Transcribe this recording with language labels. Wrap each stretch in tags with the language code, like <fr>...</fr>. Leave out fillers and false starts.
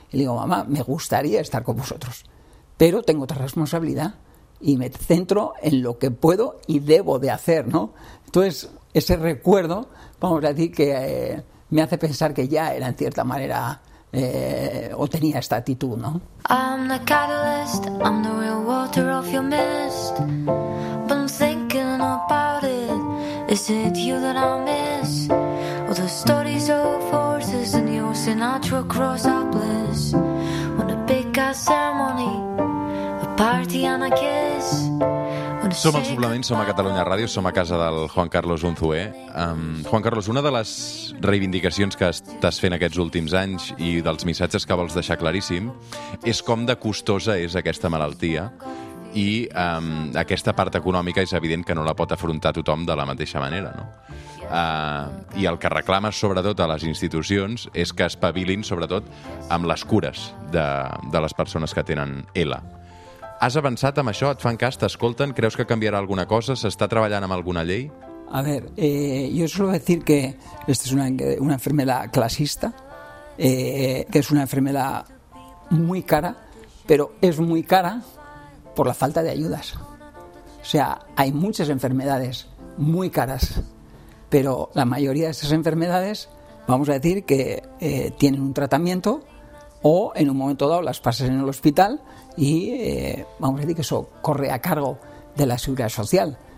<es>Y le digo, mamá, me gustaría estar con vosotros, pero tengo otra responsabilidad y me centro en lo que puedo y debo de hacer, ¿no? Entonces, ese recuerdo, vamos a decir, que me hace pensar que ya era en cierta manera... o tenía esta actitud, ¿no?</es> <en>I'm the catalyst, I'm the real water of your mist. Been thinking about it, is it you that I miss? Or the stories of horses and your Sinatra across our bliss? When a big ceremony, a party and a kiss.</en> <ca>Som al Suplement, som a Catalunya Ràdio, som a casa del Juan Carlos Unzué. Juan Carlos, una de les reivindicacions que estàs fent aquests últims anys i dels missatges que vols deixar claríssim és com de costosa és aquesta malaltia i aquesta part econòmica és evident que no la pot afrontar tothom de la mateixa manera, no? I el que reclama sobretot a les institucions és que espavilin sobretot amb les cures de les persones que tenen ELA. Has avançat amb això? Et fan cas? T'escolten? Creus que canviarà alguna cosa? S'està treballant amb alguna llei?</ca> <es>A ver, yo suelo decir que esta es una enfermedad clasista, que es una enfermedad muy cara, pero es muy cara por la falta de ayudas. O sea, hay muchas enfermedades muy caras, pero la mayoría de esas enfermedades, vamos a decir, que tienen un tratamiento o en un momento dado las pasas en el hospital y vamos a decir que eso corre a cargo de la seguridad social.</es>